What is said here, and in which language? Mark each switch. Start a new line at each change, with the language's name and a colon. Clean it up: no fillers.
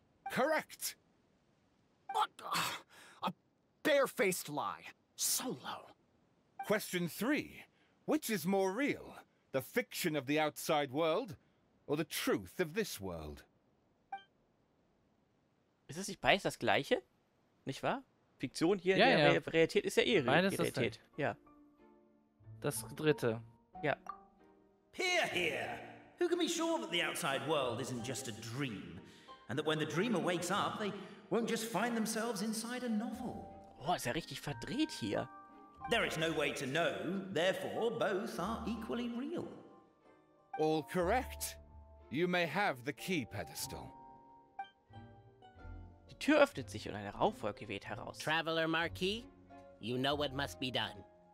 English: Correct! What? A bare-faced lie. So low. Question three. Which is more real? The fiction of the outside world or the truth of this world?
German: Ist es nicht beides das gleiche? Nicht wahr? Fiktion hier, ja, in der Realität ist ja eh Realität. Ja. Das dritte. Ja.
English: Peer here. Who can be sure that the outside world isn't just a dream? And that when the dreamer wakes up, they won't just find themselves inside a novel.
German: Oh, ist ja richtig verdreht hier.
English: There is no way to know, therefore both are equally real. All correct. You may have the key pedestal.
German: Die Tür öffnet sich und eine Rauchwolke weht heraus.
English: Traveler Marquis, you know what must be done.